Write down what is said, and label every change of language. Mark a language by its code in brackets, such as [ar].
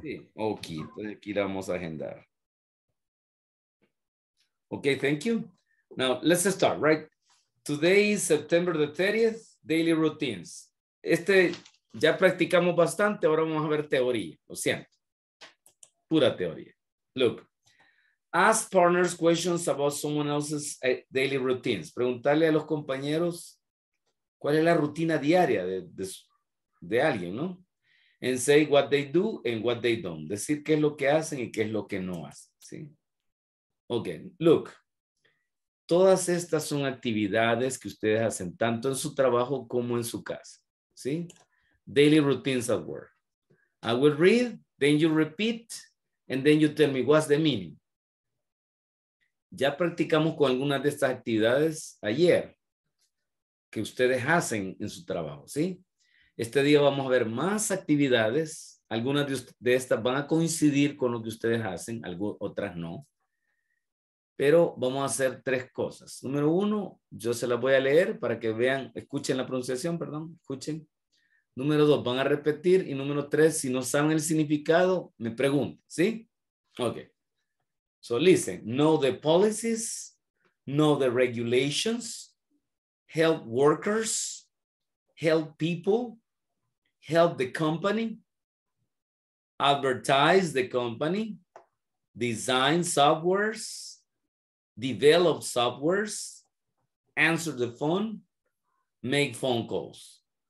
[es] Sí. Ok, entonces aquí la vamos a agendar. [en] Ok, thank you. Now, let's start, right? Today is September the 30th, daily routines. [es] Este, ya practicamos bastante, ahora vamos a ver teoría, lo siento. Pura teoría. [en] Look, ask partners questions about someone else's daily routines. [es] Preguntarle a los compañeros cuál es la rutina diaria de alguien, ¿no? [en] And say what they do and what they don't. [es] Decir qué es lo que hacen y qué es lo que no hacen, ¿sí? [en] Ok, look, [es] todas estas son actividades que ustedes hacen tanto en su trabajo como en su casa, ¿sí? [en] Daily routines at work. I will read, then you repeat, and then you tell me what's the meaning. [es] Ya practicamos con algunas de estas actividades ayer que ustedes hacen en su trabajo, ¿sí? Este día vamos a ver más actividades. Algunas de estas van a coincidir con lo que ustedes hacen, otras no. Pero vamos a hacer tres cosas. Número uno, yo se las voy a leer para que vean, escuchen la pronunciación, perdón, escuchen. Número dos, van a repetir. Y número tres, si no saben el significado, me pregunten, ¿sí? Ok. [en] So listen, know the policies, know the regulations, help workers, help people, help the company, advertise the company, design softwares, develop softwares, answer the phone, make phone calls.